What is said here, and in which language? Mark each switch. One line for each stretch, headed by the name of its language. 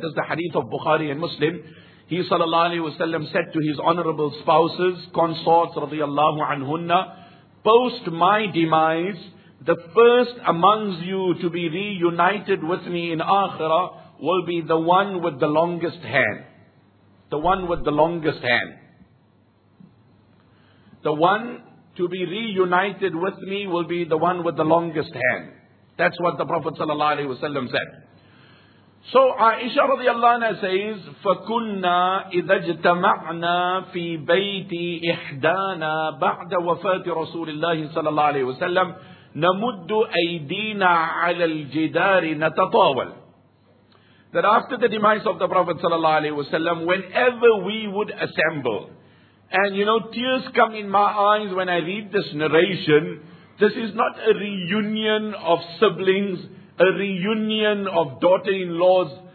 English: This is the hadith of Bukhari and Muslim. He sallallahu alayhi wa sallam said to his honorable spouses, consorts radiyallahu anhunna, post my demise, the first amongst you to be reunited with me in akhirah will be the one with the longest hand. The one with the longest hand. The one to be reunited with me will be the one with the longest hand. That's what the Prophet sallallahu alaihi wasallam said. So Aisha radiallahu anha says,
Arabic: فَكُنَّا إِذَا اجْتَمَعْنَا فِي بَيْتِ إِحْدَانَا بَعْدَ وَفَاتِ رَسُولِ اللَّهِ صَلَى اللَّهُ عَلَيْهِ وَسَلَّمْ نَمُدُّ أَيْدِينَا عَلَى الْجِدَارِ نَتَطَاوَلْ.
English: That after the demise of the Prophet sallallahu alaihi wasallam, whenever we would assemble, and you know, tears come in my eyes when I read this narration. This is not a reunion of siblings, a reunion of daughter-in-laws.